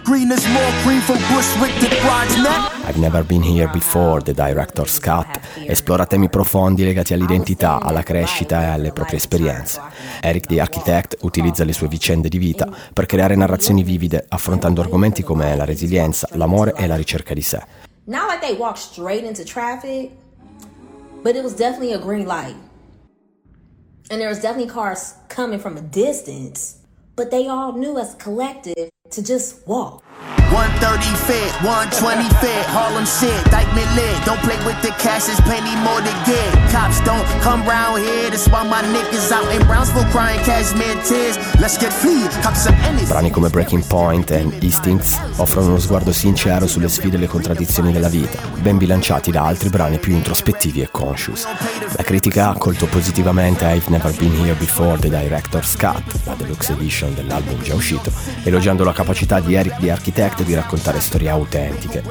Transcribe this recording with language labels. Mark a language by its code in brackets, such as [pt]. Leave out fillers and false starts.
[en] I've never been here before, the director's cut. [it] Esplora temi profondi legati all'identità, alla crescita e alle proprie esperienze. Eric the Architect utilizza le sue vicende di vita per creare narrazioni vivide, affrontando argomenti come la resilienza, l'amore e la ricerca di sé. [en] Not like they walked straight into traffic, but it was definitely a green light. And there was definitely cars coming from a distance, but they all knew as a collective to just walk. 130 fit, 120 fit, Harlem shit, Dykeman lit. Don't play with the cash, there's plenty more to get. Cops don't come round here, that's why my niggas out in Brownsville crying cashmere tears. Let's get free, cops are innocent. [it] Brani come Breaking Point and Instincts offrono uno sguardo sincero sulle sfide e le contraddizioni della vita, ben bilanciati da altri brani più introspettivi e conscious. La critica ha accolto positivamente I've Never Been Here Before, The Director's Cut, la deluxe edition dell'album già uscito, elogiando la capacità di Eric the Architect di raccontare storie autentiche.